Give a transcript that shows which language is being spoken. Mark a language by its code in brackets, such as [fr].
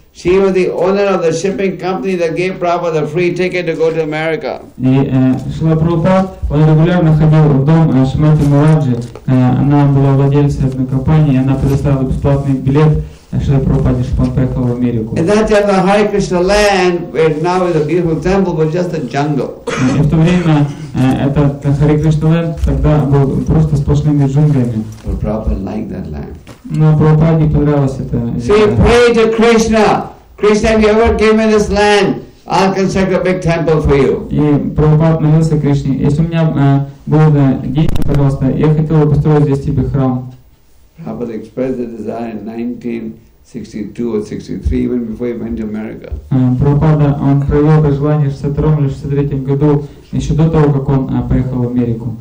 [en] She was the owner of the shipping company that gave Prabhupada a free ticket to go to America. [ru] Шрила Прабхупада, он регулярно ходил в дом Шримати Мараджи. Она была владельцем одной компании, она предоставила бесплатный билет Шрила Прабхупаде, чтобы он поехал в Америку. [en] And that time the Hare Krishna land, where now is a beautiful temple, was just a jungle. [ru] И в то время этот Hare Krishna land тогда был просто сплошными джунглями. [en] But Prabhupada liked that land. [ru] Но Прабхупаде понравилось это. [en] So he prayed to Krishna. Krishna, if you ever give me this land, I'll construct a big temple for you. [ru] И Прабхупада молился Кришне, если у меня будут деньги, пожалуйста, я хотел бы построить здесь тебе храм. [en] Prabhupada expressed the desire in 1962 or 63, even before he went to America. [ru] Прабхупада, он проявил это желание в 62 или 63 году, еще до того, как он поехал в Америку.